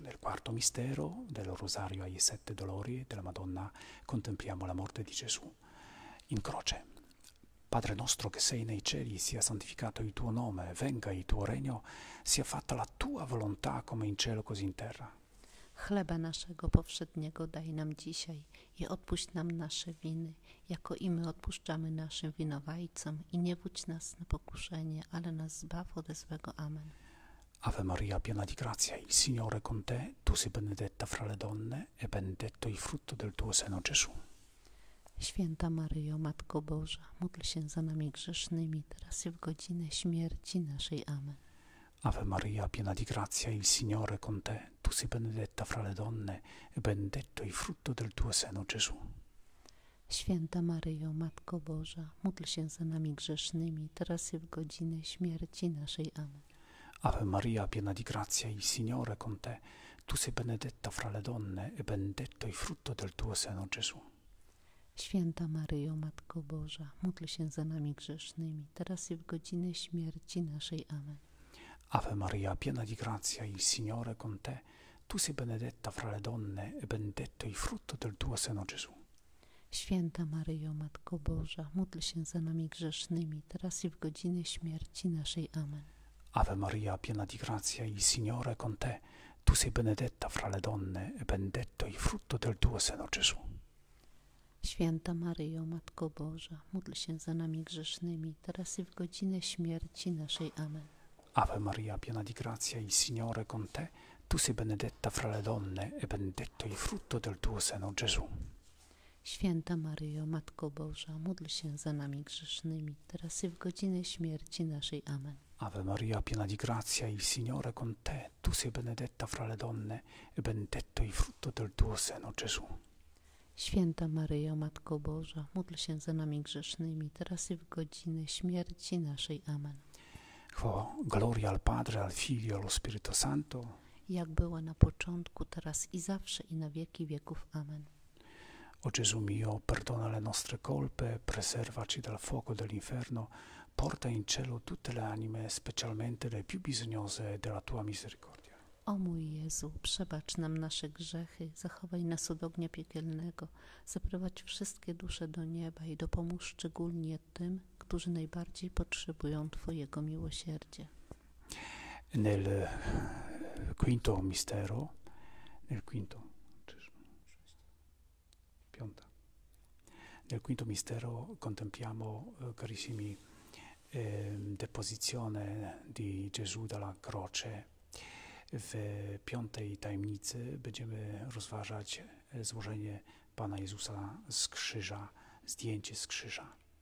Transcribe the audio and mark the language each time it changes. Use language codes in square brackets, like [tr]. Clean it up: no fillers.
[it] Nel quarto mistero del Rosario ai sette dolori della Madonna contempliamo la morte di Gesù. In croce. Padre nostro che sei nei cieli, sia santificato il tuo nome, venga il tuo regno, sia fatta la tua volontà come in cielo così in terra. [pl] Chleba naszego powszedniego daj nam dzisiaj i odpuść nam nasze winy, jako i my odpuszczamy naszym winowajcom. I nie wódź nas na pokuszenie, ale nas zbaw ode złego. Amen. [it] Ave Maria, piena di grazia, il Signore con te, tu sei benedetta fra le donne, e benedetto il frutto del tuo seno, Gesù. [pl] Święta Maryjo, Matko Boża, módl się za nami grzesznymi, teraz i w godzinę śmierci naszej. Amen. [it] Ave Maria, piena di grazia, il Signore con te, tu sei benedetta fra le donne, e benedetto il frutto del tuo seno, Gesù. [pl] Święta Maryjo, Matko Boża, módl się za nami grzesznymi, teraz i w godzinę śmierci naszej. Amen. [it] Ave Maria, piena di grazia, il Signore è con te. Tu sei benedetta fra le donne e benedetto il frutto del tuo seno, Gesù. [pl] Święta Maryjo, Matko Boża, módl się za nami grzesznymi, teraz i w godzinę śmierci naszej. Amen. [it] Ave Maria, piena di grazia, il Signore è con te. Tu sei benedetta fra le donne e benedetto il frutto del tuo seno, Gesù. [pl] Święta Maryjo, Matko Boża, módl się za nami grzesznymi, teraz i w godzinę śmierci naszej. Amen. [it] Ave Maria, piena di grazia, il Signore è con te. Tu sei benedetta fra le donne e benedetto il frutto del tuo seno, Gesù. [pl] Święta Maryjo, Matko Boża, módl się za nami grzesznymi, teraz i w godzinę śmierci naszej. Amen. [it] Ave Maria, piena di grazia, il Signore con te. Tu sei benedetta fra le donne e benedetto il frutto del tuo seno, Gesù. [pl] Święta Maryjo, Matko Boża, módl się za nami grzesznymi, teraz i w godzinę śmierci naszej. Amen. [it] Ave Maria, piena di grazia, il Signore con te. Tu sei benedetta fra le donne e benedetto il frutto del tuo seno, Gesù. [pl] Święta Maryjo, Matko Boża, módl się za nami grzesznymi, teraz i w godzinę śmierci naszej. Amen. [it] Chwała, gloria al Padre, al Figlio, allo Spirito Santo. [pl] Jak była na początku, teraz i zawsze, i na wieki wieków. Amen. [it] O Gesù mio, perdona le nostre colpe, preservaci dal fuoco dell'inferno, porta in cielo tutte le anime, specialmente le più bisognose della tua misericordia. [pl] O mój Jezu, przebacz nam nasze grzechy, zachowaj nas od ognia piekielnego, zaprowadź wszystkie dusze do nieba i dopomóż szczególnie tym, którzy najbardziej potrzebują Twojego miłosierdzia. [it] Nel quinto mistero, nel quinto mistero contempliamo, carissimi, deposizione di Gesù dalla croce. [pl] W piątej tajemnicy będziemy rozważać złożenie Pana Jezusa z krzyża, zdjęcie z krzyża.